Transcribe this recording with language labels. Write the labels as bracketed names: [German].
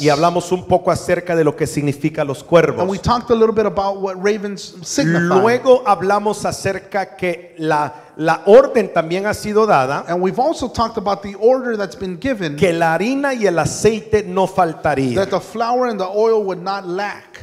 [Spanish] Y hablamos un poco acerca de lo que significa los cuervos. [English] And we talked a little bit about what ravens signify. [Spanish] Luego hablamos acerca que la orden también ha sido dada. [English] And we've also talked about the order that's been given. [Spanish] Que la harina y el aceite no faltaría. [English] That the flour and the oil would not lack.